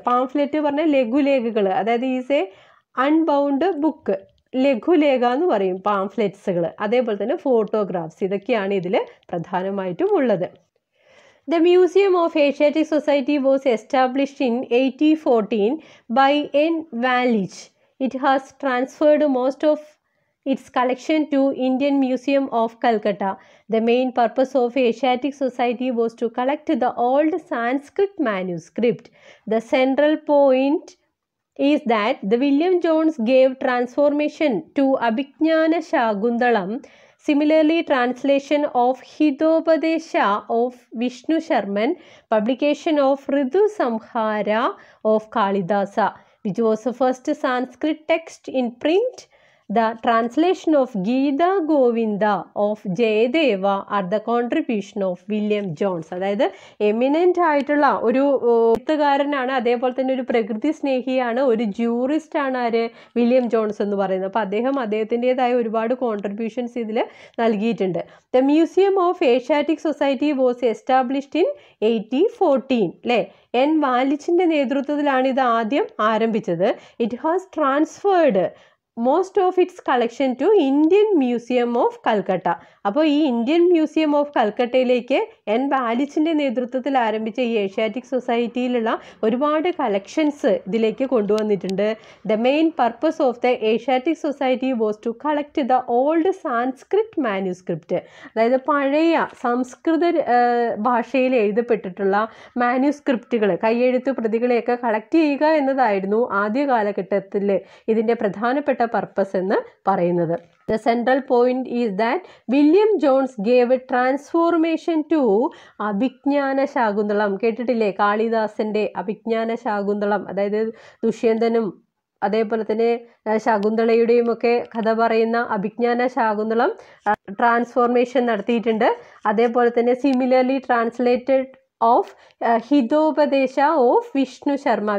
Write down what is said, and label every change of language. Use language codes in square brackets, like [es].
[ml] Pamphlet പറഞ്ഞാൽ ലഘുലേഖകൾ, അതായത് [en] is a unbound book, [ml] ലഘുലേഖ എന്ന് പറയും പാംഫ്ലെറ്റ്സുകൾ. അതേപോലെ തന്നെ ഫോട്ടോഗ്രാഫ്സ്, ഇതൊക്കെയാണ് ഇതിൽ പ്രധാനമായിട്ടും ഉള്ളത്. [en] The museum of Asiatic Society was established in 1814 by N Wallich. It has transferred most of its collection to Indian Museum of Calcutta. The main purpose of Asiatic Society was to collect the old Sanskrit manuscript. The central point is that the William Jones gave transformation to Abhijnana Shakuntalam. Similarly, translation of Hitopadesha of Vishnu Sharman, publication of Ritu Samhara of Kalidasa, which was the first Sanskrit text in print. The translation of Gita Govinda of Jayadeva are the contribution of William Jones. [ml] അതായത് eminent ആയിട്ടുള്ള ഒരു എഴുത്തുകാരനാണ്, അതേപോലെ തന്നെ ഒരു പ്രകൃതി സ്നേഹിയാണ്, ഒരു ജൂറിസ്റ്റാണ് ആര്, വില്യം ജോൺസ് എന്ന് പറയുന്നത്. അപ്പോൾ അദ്ദേഹത്തിൻ്റെതായ ഒരുപാട് കോൺട്രിബ്യൂഷൻസ് ഇതിൽ നൽകിയിട്ടുണ്ട്. [en] the museum of Asiatic Society was established in 1814 [ml] അല്ലേ. എൻ വാലിച്ചിൻ്റെ നേതൃത്വത്തിലാണ് ഇത് ആദ്യം ആരംഭിച്ചത്. [en] It has transferred most of its collection to Indian Museum of Calcutta. [ml] അപ്പൊ ഈ ഇന്ത്യൻ മ്യൂസിയം ഓഫ് കൽക്കട്ടയിലേക്ക് എൻ വാലിച്ചിൻ്റെ നേതൃത്വത്തിൽ ആരംഭിച്ച ഈ ഏഷ്യാറ്റിക് സൊസൈറ്റിയിലുള്ള ഒരുപാട് കളക്ഷൻസ് ഇതിലേക്ക് കൊണ്ടുവന്നിട്ടുണ്ട്. [en] The main purpose of the Asiatic Society was to collect the old Sanskrit manuscript. [ml] അതായത് പഴയ സംസ്കൃത ഭാഷയിൽ എഴുതപ്പെട്ടിട്ടുള്ള മാനുസ്ക്രിപ്റ്റുകൾ, കയ്യെഴുത്ത് പ്രതികളെയൊക്കെ കളക്ട് ചെയ്യുക എന്നതായിരുന്നു ആദ്യ കാലഘട്ടത്തിൽ ഇതിൻ്റെ പ്രധാനപ്പെട്ട പർപ്പസ് എന്ന് പറയുന്നത്. [en] The central point is that William Jones gave a transformation to Abhijnana Shakuntalam. [ml] കേട്ടിട്ടില്ലേ, കാളിദാസന്റെ അഭിജ്ഞാന ശാകുന്തളം, അതായത് ദുഷ്യന്തനും അതേപോലെ തന്നെ ശകുന്തളയുടെയും ഒക്കെ കഥ പറയുന്ന അഭിജ്ഞാന ശാകുന്തളം ട്രാൻസ്ഫോർമേഷൻ നടത്തിയിട്ടുണ്ട്. അതേപോലെ തന്നെ [en] Similarly translated of Hitopadesha of Vishnu Sharma.